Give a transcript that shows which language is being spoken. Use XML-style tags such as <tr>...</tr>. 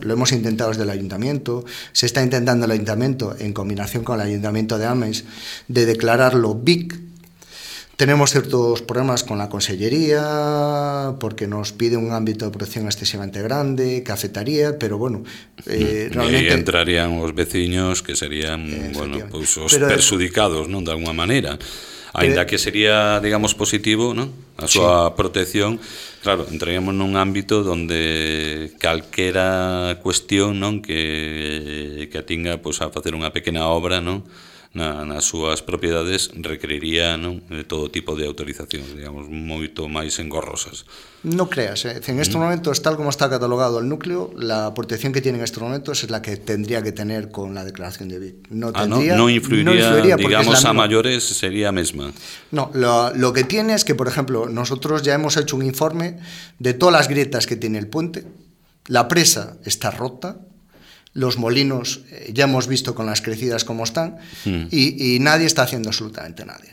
<es>Lo hemos intentado desde el ayuntamiento, se está intentando el ayuntamiento en combinación con el ayuntamiento de Ames de declararlo BIC. Tenemos ciertos problemas con la consellería porque nos pide un ámbito de protección excesivamente grande que afectaría, pero bueno, realmente... Y ahí entrarían los vecinos que serían perjudicados, ¿no?, de alguna manera.</es> <gl>Ainda que sería, digamos, positivo, ¿no?, a súa protección, claro, entraríamos nun ámbito donde calquera cuestión, ¿no?, que atinga pues, a facer unha pequena obra, ¿no?, nas súas propiedades, requeriría, ¿no?, de todo tipo de autorizacións, digamos, moito máis engorrosas.</gl> <es>No creas, en este momento, tal como está catalogado el núcleo, la protección que tiene en este momento es la que tendría que tener con la declaración de BIC. No influiría, digamos, a mayores, sería mesma. No, lo que tiene es que, por ejemplo, nosotros ya hemos hecho un informe de todas las grietas que tiene el puente, la presa está rota, los molinos ya hemos visto con las crecidas cómo están y nadie está haciendo absolutamente nada.</es>